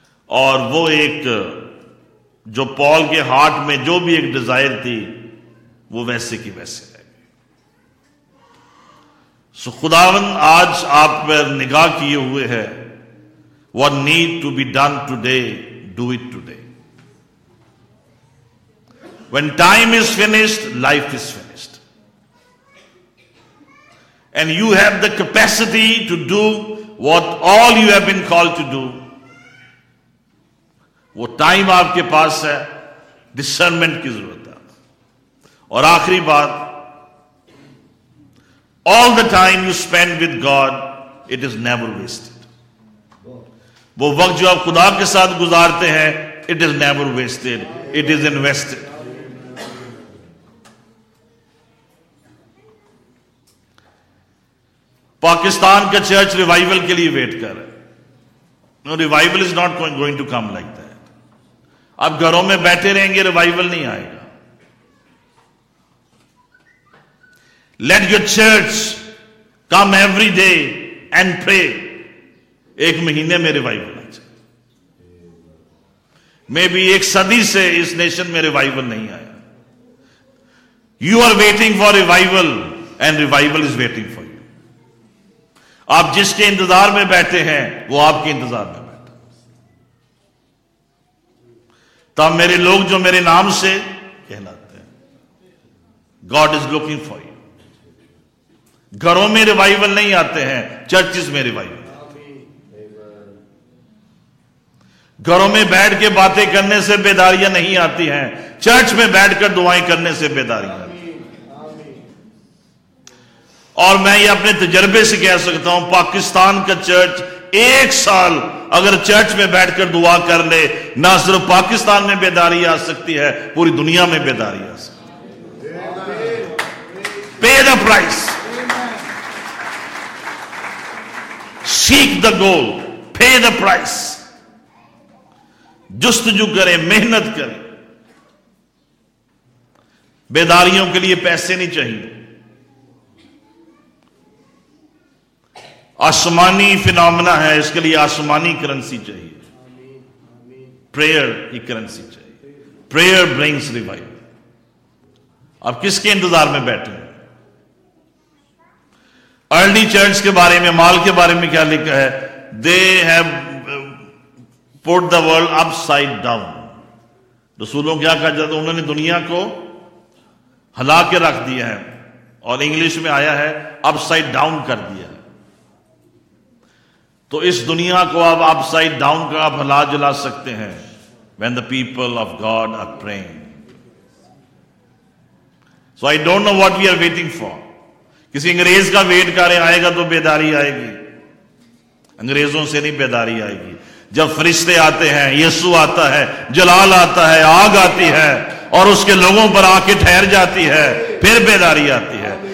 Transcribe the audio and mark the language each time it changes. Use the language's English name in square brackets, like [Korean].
[Urdu] اور وہ ایک جو پال کے ہارٹ میں جو بھی ایک ڈیزائر تھی وہ ویسے کی ویسے رہ گئی. سو خداوند آج آپ پر نگاہ کیے ہوئے ہے. [English] What need to be done today, do it today. When time is finished, life is finished. And you have the capacity to do what all you have been called to do. [Urdu] وہ time آپ کے پاس ہے, discernment کی ضرورت ہے. اور آخری بات, [English] all the time you spend with God, it is never wasted. [Urdu] وہ وقت جو آپ خدا کے ساتھ گزارتے ہیں, [English] it is never wasted, it is invested. [Urdu] Pakistan کا چرچ ریوائیول کے لیے ویٹ کر رہا ہے. [English] No, revival is not going to come like that. [Urdu] آپ گھروں میں بیٹھے رہیں گے, ریوائیول نہیں آئے گا. [English] Let your church come every day and pray. [Urdu] ایک مہینے میں ریوائیول آ جائے. مے بی ایک صدی سے اس نیشن میں ریوائیول نہیں آیا. [English] You are waiting for revival and revival is waiting for you. [Urdu] آپ جس کے انتظار میں بیٹھے ہیں وہ آپ کے انتظار میں بیٹھے. تب میرے لوگ جو میرے نام سے کہلاتے ہیں, [English] God is looking for you. [Urdu] گھروں میں ریوائیول نہیں آتے ہیں, چرچز میں ریوائیول. گھروں میں بیٹھ کے باتیں کرنے سے بیداریاں نہیں آتی ہیں, چرچ میں بیٹھ کر دعائیں کرنے سے بیداریاں آتی ہیں. اور میں یہ اپنے تجربے سے کہہ سکتا ہوں, پاکستان کا چرچ ایک سال اگر چرچ میں بیٹھ کر دعا کر لے, نہ صرف پاکستان میں بیداری آ سکتی ہے, پوری دنیا میں بیداری آ سکتی ہے. [English] Pay the price, seek the goal, pay the price. [Urdu] جستجو کریں, محنت کریں. بیداریوں کے لیے پیسے نہیں چاہیے. آسمانی فینومنا ہے, اس کے لیے آسمانی کرنسی چاہیے. پریئر کی کرنسی چاہیے. [English] Prayer brings revival. [Urdu] آپ کس کے انتظار میں بیٹھے ہیں؟ ارلی چرچ کے بارے میں, مال کے بارے میں کیا لکھا ہے؟ [English] They have put the world upside down. [Urdu] رسولوں کیا کہا جاتا, انہوں نے دنیا کو ہلا کے رکھ دیا ہے, اور انگلش میں آیا ہے اپ سائڈ ڈاؤن کر دیا ہے. تو اس دنیا کو آپ اپ سائڈ ڈاؤن کر آپ ہلا جلا سکتے ہیں. [English] When the people of God are praying. So I don't know what we are waiting for. [Urdu] کسی انگریز کا ویٹ کر رہے ہیں, آئے گا تو بیداری آئے گی. انگریزوں سے نہیں بیداری آئے گی. جب فرشتے آتے ہیں, یسوع آتا ہے, جلال آتا ہے, آگ آتی ہے اور اس کے لوگوں پر آ کے ٹھہر جاتی ہے, پھر بیداری آتی ہے.